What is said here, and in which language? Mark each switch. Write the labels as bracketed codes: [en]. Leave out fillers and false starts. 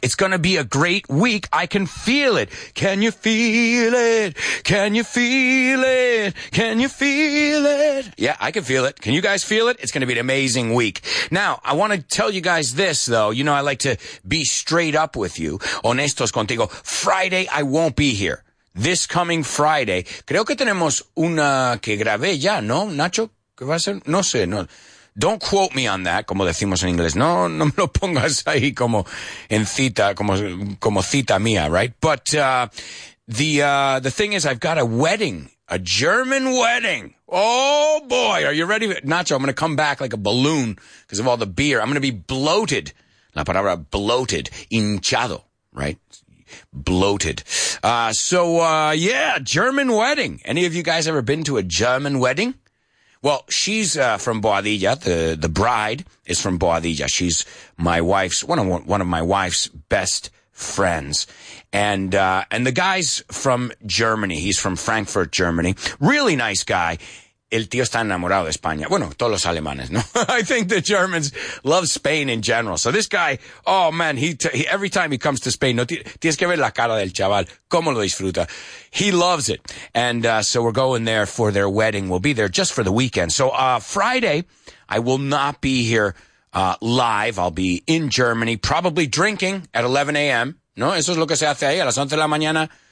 [en] It's going to be a great week. I can feel it. Can you feel it? Can you feel it? Can you feel it? Yeah, I can feel it. Can you guys feel it? It's going to be an amazing week. Now, I want to tell you guys this, though. You know, I like to be straight up with you. [es] Honestos contigo. [en] Friday, I won't be here. This coming Friday. [es] Creo que tenemos una que grabé ya, ¿no? Nacho, ¿qué va a ser? No sé, no. [en] Don't quote me on that, [es] como decimos en inglés. No me lo pongas ahí como en cita, como cita mía, right? [en] But the thing is, I've got a wedding. A German wedding. Oh, boy. Are you ready? Nacho, I'm going to come back like a balloon because of all the beer. I'm going to be bloated. [es] La palabra [en] bloated. Hinchado, right? Bloated. Yeah, German wedding. Any of you guys ever been to a German wedding? Well, she's from Boadilla. The bride is from Boadilla. She's my wife's, one of my wife's best friends. And the guy's from Germany. He's from Frankfurt, Germany. Really nice guy. [es] El tío está enamorado de España. Bueno, todos los alemanes, ¿no? [en] I think the Germans love Spain in general. So this guy, oh man, he every time he comes to Spain, [es] no tienes que ver la cara del chaval, cómo lo disfruta. [en] He loves it. And so we're going there for their wedding. We'll be there just for the weekend. So Friday, I will not be here live. I'll be in Germany, probably drinking at 11 a.m. [es] No, eso es lo que se hace ahí a las 11 de la mañana.